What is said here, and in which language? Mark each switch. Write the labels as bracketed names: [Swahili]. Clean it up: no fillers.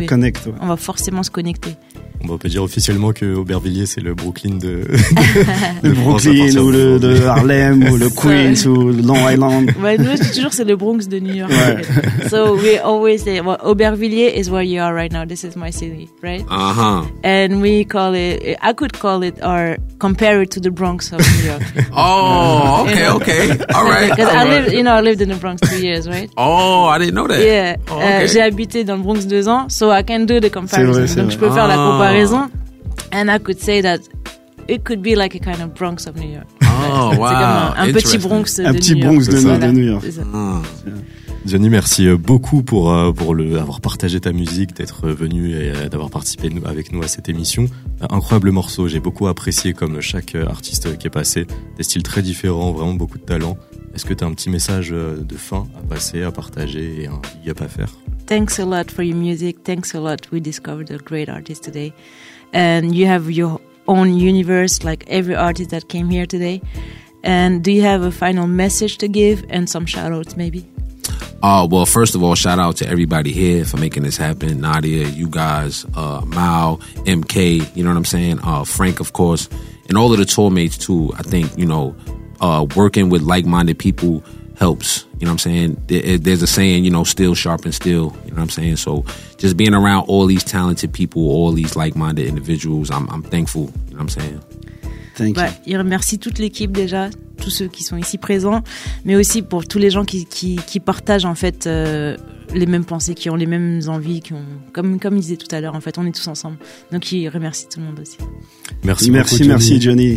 [French] Ça connecte. Ouais. On va forcément se connecter. On peut dire officiellement que Aubervilliers, c'est le Brooklyn de... le Brooklyn ou le Harlem ou le Queens ou Long Island. Ouais, nous, toujours, c'est le Bronx de New York. Ouais. [English] So we always say, well, Aubervilliers is where you are right now. This is my city, right? Uh-huh. And we call it, I could call it or compare it to the Bronx of New York. Oh, okay, okay. All right. Because I lived, you know, I lived in the Bronx 2 years, right? Oh, I didn't know that. Yeah. Oh, [French] okay. J'ai habité dans le Bronx 2 ans, [English] so I can do the comparison. [French] C'est vrai, c'est donc vrai. Je peux faire la comparaison. [English] And I could say that it could be like a kind of Bronx of New York. [French] Oh, c'est wow. Un petit Bronx de New York. Un petit Bronx de New York. Johnny, merci beaucoup pour avoir partagé ta musique, d'être venu et d'avoir participé avec nous à cette émission. Incroyable morceau, j'ai beaucoup apprécié comme chaque artiste qui est passé. Des styles très différents, vraiment beaucoup de talent. Est-ce que tu as un petit message de fin à passer, à partager et un big up à faire? [English] Thanks a lot for your music. Thanks a lot. We discovered a great artist today. And you have your own universe, like every artist that came here today. And do you have a final message to give and some shout outs maybe? Well, first of all, shout out to everybody here for making this happen. Nadia, you guys, Mao, MK, you know what I'm saying? Frank, of course, and all of the tour mates too. I think, you know, working with like-minded people helps. You know what I'm saying? There's a saying, you know, steel sharpens steel. You know what I'm saying? So just being around all these talented people, all these like-minded individuals, I'm thankful. You know what I'm saying? Thank you. [French] Il remercie toute l'équipe déjà, tous ceux qui sont ici présents, mais aussi pour tous les gens qui partagent en fait les mêmes pensées, qui ont les mêmes envies, qui ont comme il disait tout à l'heure, en fait, on est tous ensemble. Donc il remercie tout le monde aussi. Merci Johnny.